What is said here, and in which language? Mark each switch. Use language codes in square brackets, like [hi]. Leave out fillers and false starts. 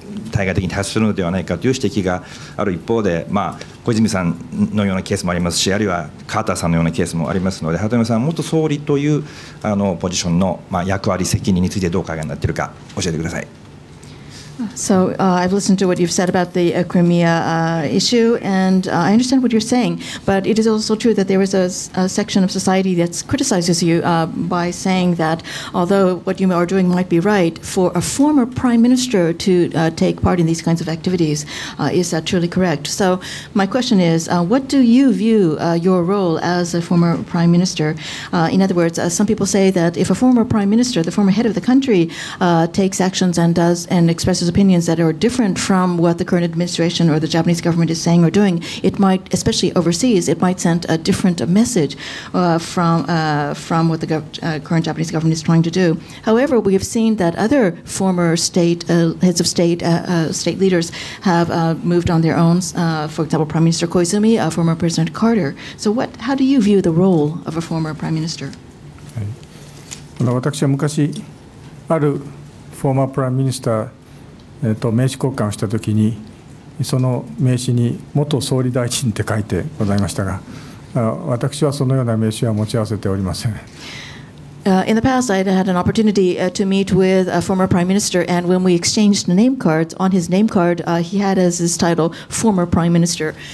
[ja] 対外的に発するのではないかという指摘がある一方で、小泉さんのようなケースもありますし、あるいはカーターさんのようなケースもありますので、鳩山さん、元総理というポジションの役割責任についてどうお考えになっているか教えてください。 [en] So I've listened to what you've said about the Crimea issue, and I understand what you're saying, but it is also true that there is a section of society that criticizes you by saying that although what you are doing might be right, for a former prime minister to take part in these kinds of activities, is that truly correct? So my question is, what do you view your role as a former prime minister? In other words, some people say that if a former prime minister, the former head of the country, takes actions and expresses opinions that are different from what the current administration or the Japanese government is saying or doing, it might, especially overseas, it might send a different message from what the current Japanese government is trying to do. However, we have seen that other former state heads of state, state leaders, have moved on their own. For example, Prime Minister Koizumi, former President Carter. So, what? How do you view the role of a former Prime Minister? [ja] 私は昔、ある [en] フォーマープライムミニスター [ja] と名刺交換をした時に、その名刺に元総理大臣って書いてございましたが、私はそのような名刺は持ち合わせておりません。 [en] In the past, I had an opportunity to meet with a former prime minister, and when we exchanged name cards, on his name card, he had as his title former prime minister.